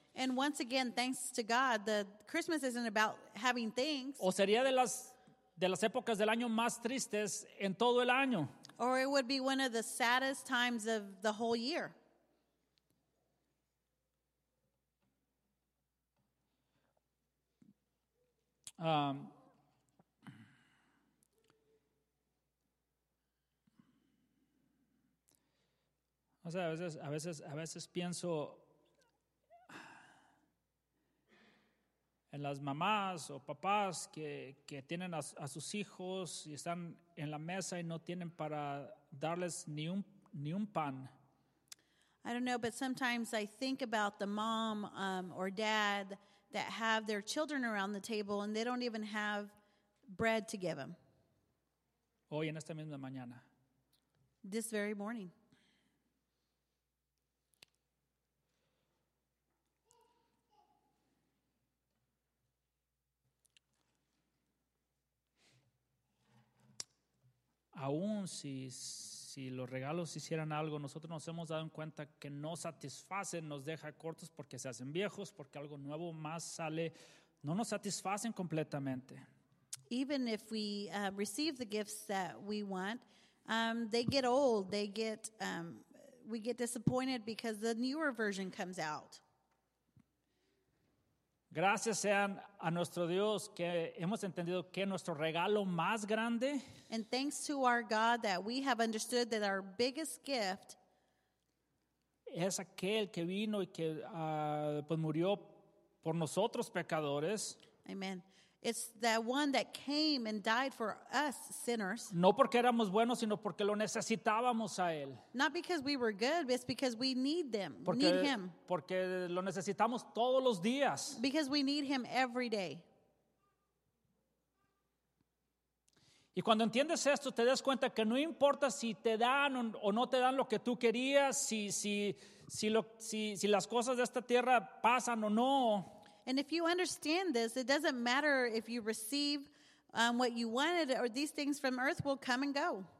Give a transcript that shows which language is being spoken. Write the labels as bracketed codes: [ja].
[en] And once again, thanks to God, the Christmas isn't about having things. [es] O sería de las épocas del año más tristes en todo el año. [en] Or it would be one of the saddest times of the whole year. [es] O sea, a veces pienso en las mamás o papás que tienen a sus hijos y están en la mesa y no tienen para darles ni un pan. [en] I don't know, but sometimes I think about the mom or dad that have their children around the table and they don't even have bread to give them. [es] Hoy en esta misma mañana. [en] This very morning. [es] Aún si los regalos hicieran algo, nosotros nos hemos dado en cuenta que no satisfacen, nos deja cortos porque se hacen viejos, porque algo nuevo más sale, no nos satisfacen completamente. [en] Even if we receive the gifts that we want, they get old, they get, we get disappointed because the newer version comes out. [es] Gracias sean a nuestro Dios que hemos entendido que nuestro regalo más grande. [en] And thanks to our God that we have understood that our biggest gift [es] es aquel que vino y que murió por nosotros pecadores. Amen. [en] It's that one that came and died for us sinners. [es] No porque éramos buenos, sino porque lo necesitábamos a él. [en] Not because we were good, but it's because we need them. Need him. [es] Porque lo necesitamos todos los días. [en] Because we need him every day. [es] Y cuando entiendes esto, te das cuenta que no importa si te dan o no te dan lo que tú querías, si las cosas de esta tierra pasan o no. [en] And if you understand this, it doesn't matter if you receive what you wanted or these things from earth will come and go.